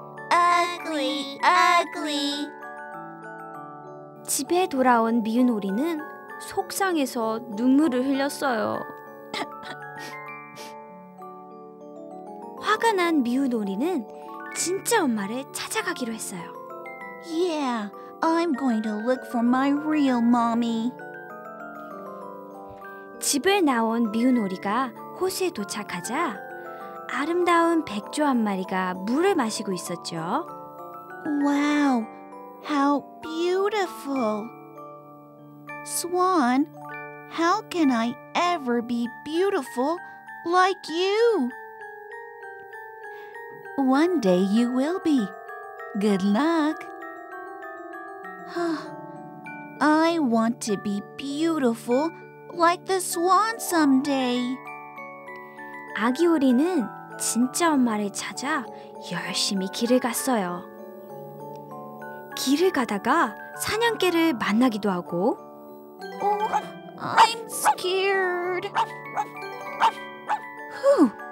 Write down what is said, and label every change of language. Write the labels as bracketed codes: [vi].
[en] Ugly, ugly. [ko] 집에 돌아온 뮤놀이는 속상해서 눈물을 흘렸어요. 화가 난 미우노리는 진짜 엄마를 찾아가기로 했어요. [en] Yeah, I'm going to look for my real mommy. [ko] 집을 나온 미우노리가 호수에 도착하자 아름다운 백조 한 마리가 물을 마시고 있었죠. [en] Wow, how beautiful. Swan, how can I ever be beautiful like you? One day you will be. Good luck. I want to be beautiful like the swan someday. [ko] 아기 오리는 진짜 엄마를 찾아 열심히 길을 갔어요. 길을 가다가 사냥개를 만나기도 하고 [en] I'm scared. 후!